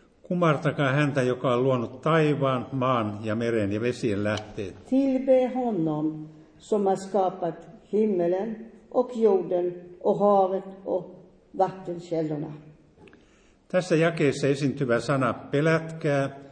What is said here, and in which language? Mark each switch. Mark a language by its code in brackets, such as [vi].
[fi] Kumartakaa häntä, joka on luonut taivaan, maan ja meren ja vesien lähteet. [sv] Tillbe honom som har skapat himmelen och jorden och havet och vattenkällorna. [fi] Tässä jakeessa esiintyvä sana pelätkää.